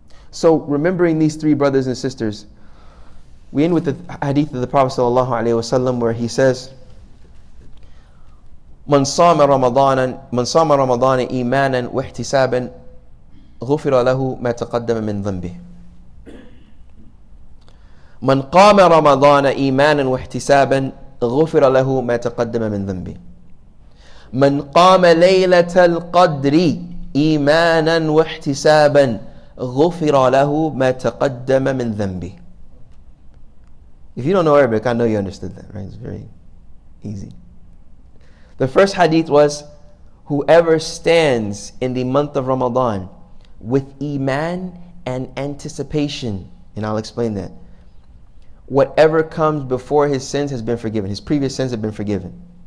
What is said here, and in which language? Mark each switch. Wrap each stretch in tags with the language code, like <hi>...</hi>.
<en>So remembering these three brothers and sisters, we end with the hadith of the Prophet sallallahu alaihi wasallam where he says,</en> <ar>من صام رمضان إيمانا واحتسابا غفر له ما تقدم من ذنبه. من قام رمضان إيمانا واحتسابا غفر له ما تقدم من ذنبه. من قام ليلة القدر إيمانا واحتسابا غفر له ما تقدم من ذنبه.</ar> <en>If you don't know Arabic, I know you understood that, right? It's very easy. The first hadith was, whoever stands in the month of Ramadan with iman and anticipation, and I'll explain that, whatever comes before his sins has been forgiven, his previous sins have been forgiven.</en>